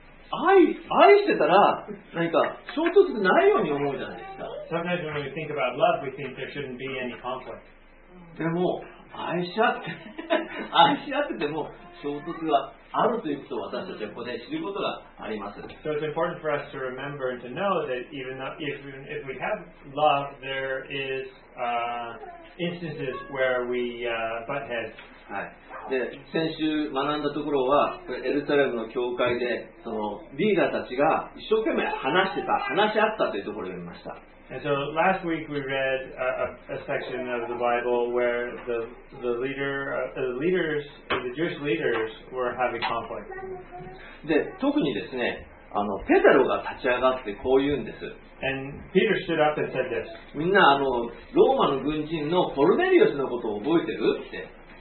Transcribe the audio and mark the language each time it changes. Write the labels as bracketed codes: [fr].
[ja] 愛してたら何か衝突がないように思うじゃないですか。 [en] Sometimes when we think about love, we think there shouldn't be any conflict. [ja] でも愛し合ってても衝突があるということを私たちはここで知ることがあります。 [en] So it's important for us to remember and to know that even if we have love, there is instances where we butt heads. [ja] はい。で、先週学んだところはエルサレムの教会でそのリーダーたちが一生懸命話してた、話し合ったというところを読みました。 [en] And so last week we read a section of the Bible where the Jewish leaders were having conflict. [ja] で、特にですね、ペテロが立ち上がってこう言うんです。 [en] And Peter stood up and said this. [ja] みんなローマの軍人のコルネリウスのことを覚えてるって。